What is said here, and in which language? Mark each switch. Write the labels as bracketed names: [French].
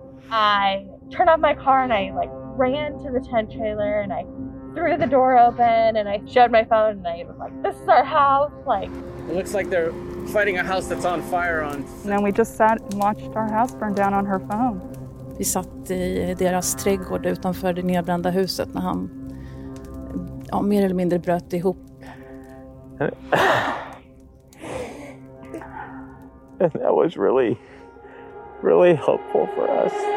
[English] I turned off my car and I like ran to the tent trailer and I threw the door open and I showed my phone and I was like, this is our house. Like, it looks like they're fighting a house that's on fire on. And then we just sat and watched our house burn down on her phone. [Swedish] Vi satt i deras trädgård utanför det nedbrända huset när han mer eller mindre bröt ihop. [English] And that was really, really helpful for us.